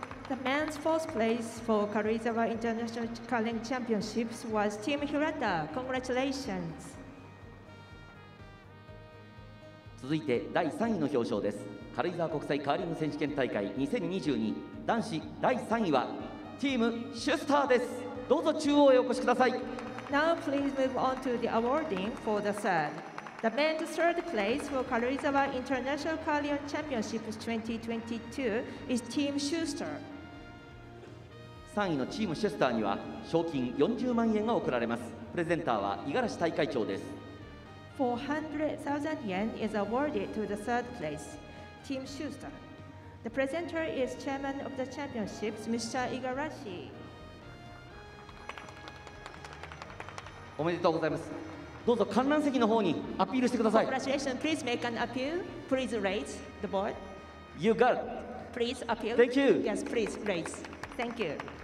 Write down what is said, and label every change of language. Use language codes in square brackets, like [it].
[en] The men's fourth place for 軽井沢 International Carling Championships was Team Hirata. Congratulations. [ja] 続いて第3位の表彰です。軽井沢国際カーリング選手権大会2022男子第3位はチームシュスターです。どうぞ中央へお越しください。 [en] Now please move on to the awarding for the third. The men's third place for 軽井沢 International Carling Championships 2022 is Team Schuster. [ja] 3位のチームシュスターには賞金40万円が贈られます。プレゼンターは五十嵐大会長です。 [en] 400,000 yen is awarded to the third place, Team Schuster. The presenter is Chairman of the Championships, Mr. Igarashi. [ja] おめでとうございます。どうぞ観覧席の方にアピールしてください。 [en] Congratulations. Please make an appeal. Please raise the board. You got it. Please appeal. Thank you. Yes, please raise. Thank you.